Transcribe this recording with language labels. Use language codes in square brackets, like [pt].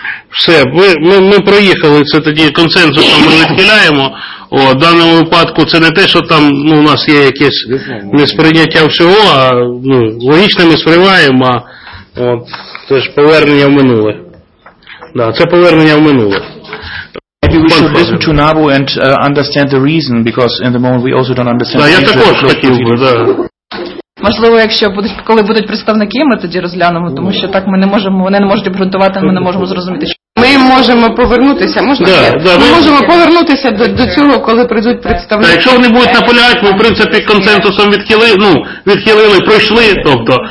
[uk] Все, ми проїхали це тоді консенсусом, ми відхиляємо. О, в даному випадку це не те, що там ну, у нас є якесь несприйняття всього, а ну, логічно ми сприймаємо, а... От, це ж повернення в минуле. Да, це повернення в минуле. [en] Maybe we should listen to Nabu and understand the reason, because in the moment we also don't understand [uk] да, [en] the reason. [uk] Так, я також хотів би, да. Можливо, якщо будуть, коли будуть представники, ми тоді розглянемо, тому що так ми не можемо, вони не можуть обґрунтувати, ми не можемо зрозуміти, що... Ми можемо повернутися, можна? Да, да, ми можемо повернутися до цього, коли прийдуть представники. Так, якщо вони будуть наполягати, ми, в принципі, консенсусом відхилили, пройшли, тобто.